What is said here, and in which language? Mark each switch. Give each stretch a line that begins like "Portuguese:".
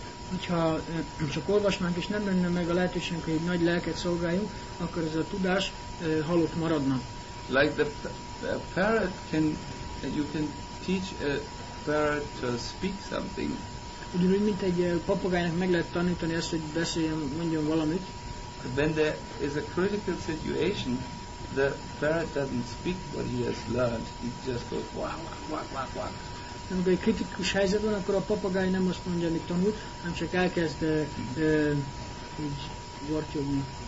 Hungarian: Hogyha csak olvasnánk, és nem lenne meg a lehetőségünk, hogy egy nagy lelket szolgáljunk, akkor ez a tudás halott maradna.
English: Like the parrot can, you can teach a parrot to speak something.
Hungarian: Ugyanúgy, mint egy papagájnak meg lehet tanítani ezt, hogy beszéljen, mondjon valamit.
English: When there is a critical situation, the parrot doesn't speak what he has learned. He just goes wah.
Hungarian: Nem egy kritikus helyzet van, akkor a papagáj nem azt mondja, amit tanult, hanem csak elkezd így vortyogni.